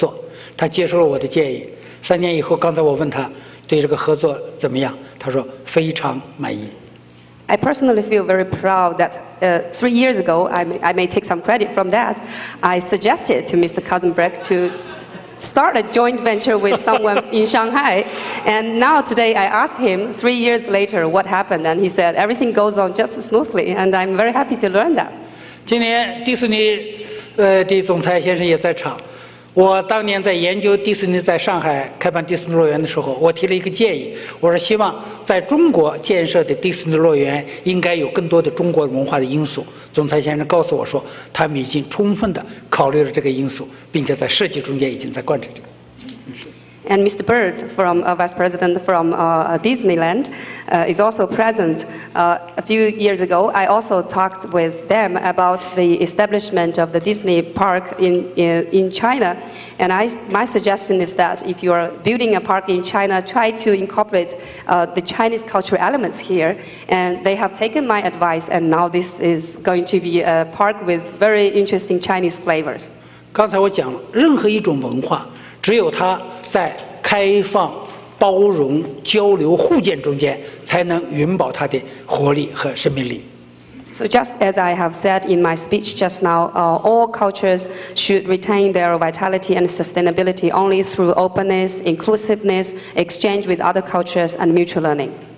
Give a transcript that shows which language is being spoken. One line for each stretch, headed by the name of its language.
Chinese: 3年以前，我访问洛杉矶的时候，向卡森伯格先生建议，他到中国的上海去和中方进行合作，他接受了我的建议。3年以后，刚才我问他对这个合作怎么样，他说非常满意。
English: I personally feel very proud that 3 years ago, I may take some credit from that, I suggested to Mr. Kazembrek to start a joint venture with someone in Shanghai. And now today I asked him 3 years later what happened, and he said everything goes on just smoothly, and I'm very happy to learn that.
Chinese: 今年迪士尼的总裁先生也在场。我当年在研究迪士尼在上海开办迪士尼乐园的时候，我提了一个建议，我说希望在中国建设的迪士尼乐园应该有更多的中国文化的因素。总裁先生告诉我说，他们已经充分地考虑了这个因素，并且在设计中间已经在贯彻这个。
English: And Mr. Bird, from Vice President from Disneyland, is also present. A few years ago, I also talked with them about the establishment of the Disney park in China. And my suggestion is that if you are building a park in China, try to incorporate the Chinese cultural elements here. And they have taken my advice, and now this is going to be a park with very interesting Chinese flavors.
Chinese: 刚才我讲了，任何一种文化，只有它在开放、包容、交流、互鉴中间，才能永葆它的活力和生命力。
English: So just as I have said in my speech just now, all cultures should retain their vitality and sustainability only through openness, inclusiveness, exchange with other cultures, and mutual learning.